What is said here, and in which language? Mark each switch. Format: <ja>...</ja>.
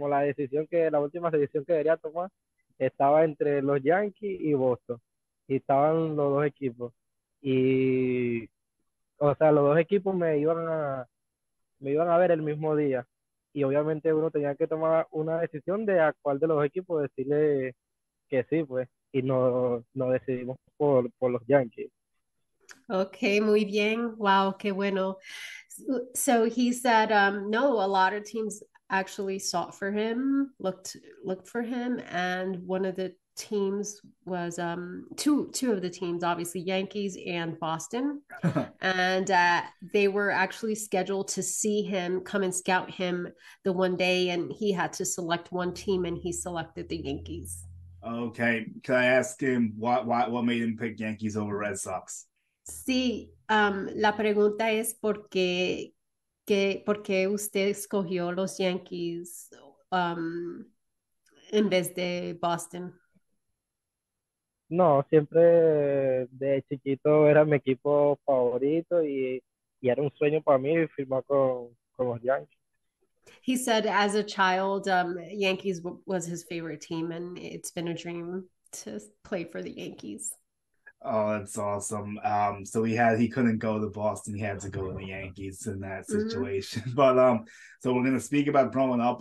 <es>decisión que debería tomar estaba entre los Yankees y Boston, y estaban los dos equipos, los dos equipos me iban a ver el mismo día, y obviamente uno tenía que tomar una decisión de a cuál de los equipos decirle que sí, pues, y no decidimos por los Yankees. Okay, muy bien. Wow, qué bueno.</es> <en>So he said, no, a lot of teams actually sought for him, looked for him, and one of the teams was two of the teams, obviously Yankees and Boston, and they were actually scheduled to see him, come and scout him the one day, and he had to select one team, and he selected the Yankees. Okay, can I ask him what made him pick Yankees over Red Sox?</en> <es>Sí, la pregunta es por qué usted escogió los Yankees en vez de Boston. No, siempre de chiquito era mi equipo favorito y era un sueño para mí firmar con los Yankees.</es> <en>He said as a child, Yankees was his favorite team, and it's been a dream to play for the Yankees. Oh, that's awesome. So he couldn't go to Boston. He had to go to the Yankees in that situation. Mm-hmm. But so we're going to speak about growing up.</en>